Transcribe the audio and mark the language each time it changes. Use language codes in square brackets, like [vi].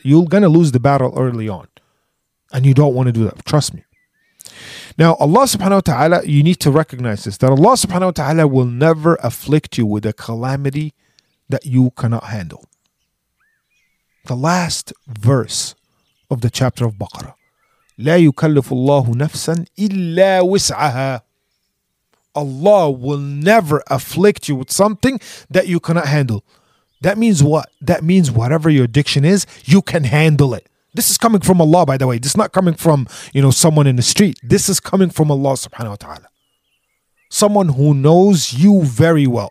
[en] You're going to lose the battle early on. And you don't want to do that. Trust me. Now, Allah subhanahu wa ta'ala, you need to recognize this, that Allah subhanahu wa ta'ala will never afflict you with a calamity that you cannot handle. The last verse of the chapter of Baqarah. [ar] لا يكلف الله نفسا إلا وسعها. [en] Allah will never afflict you with something that you cannot handle. That means what? That means whatever your addiction is, you can handle it. This is coming from Allah, by the way. This is not coming from, you know, someone in the street. This is coming from Allah subhanahu wa ta'ala. Someone who knows you very well.